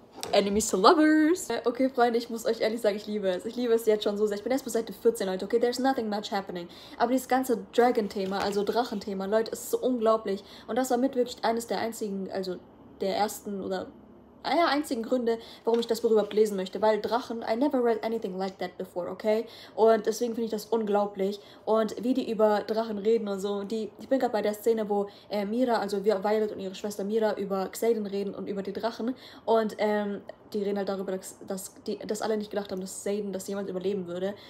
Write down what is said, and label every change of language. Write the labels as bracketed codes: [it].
[en] Enemies to lovers. [de] Okay, Freunde, ich muss euch ehrlich sagen, ich liebe es. Ich liebe es jetzt schon so sehr. Ich bin erst bei Seite 14, Leute. [en] Okay, there's nothing much happening. [de] Aber dieses ganze Dragon-Thema, also Drachen-Thema, Leute, ist so unglaublich. Und das war mit wirklich eines der einzigen, also der ersten oder einzigen Gründe, warum ich das Buch überhaupt lesen möchte. Weil Drachen, [en] I never read anything like that before, okay? [de] Und deswegen finde ich das unglaublich. Und wie die über Drachen reden und so. Ich bin gerade bei der Szene, wo Mira, also Violet und ihre Schwester Mira über Xayden reden und über die Drachen. Und die reden halt darüber, dass alle nicht gedacht haben, dass Xayden das jemals überleben würde.